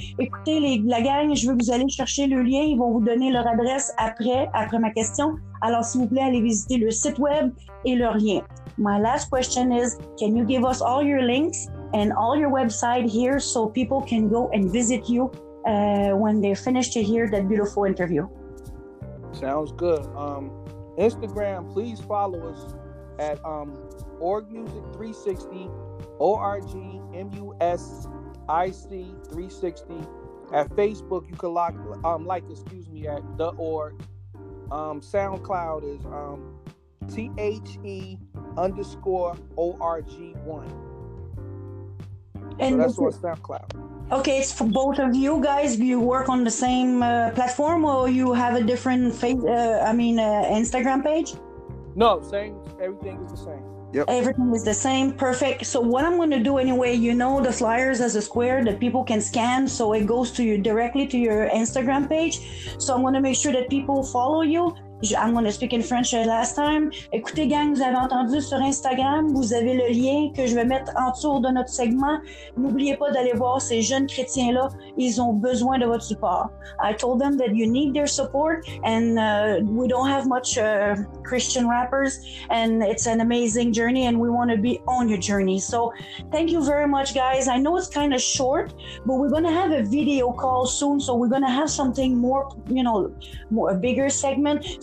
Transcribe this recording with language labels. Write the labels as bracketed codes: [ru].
[fr] Écoutez, la gang, je veux que vous allez chercher le lien. Ils vont vous donner leur adresse après ma question. Alors, s'il vous plaît, allez visiter le site web et leur lien. [en] My last question is, can you give us all your links and all your website here so people can go and visit you when they're finished to hear that beautiful interview? Sounds good. Instagram, please follow us at orgmusic360, orgmusic360. At Facebook, you can like The Org. SoundCloud is THE_ORG1. And so that's our SoundCloud. Okay, it's for both of you guys. You work on the same platform, or you have a different Instagram page? No, same. Everything is the same. Yep. Everything is the same. Perfect. So what I'm going to do anyway, you know, the flyers as a square that people can scan, so it goes to you directly to your Instagram page. So I'm going to make sure that people follow you. I'm going to speak in French last time. [fr] Écoutez, gang, vous avez entendu sur Instagram, vous avez le lien que je vais mettre en dessous de notre segment. N'oubliez pas d'aller voir ces jeunes chrétiens-là. Ils ont besoin de votre support. [en] I told them that you need their support, and we don't have much Christian rappers, and it's an amazing journey, and we want to be on your journey. So thank you very much, guys. I know it's kind of short, but we're going to have a video call soon, so we're going to have something more, you know, more a bigger segment.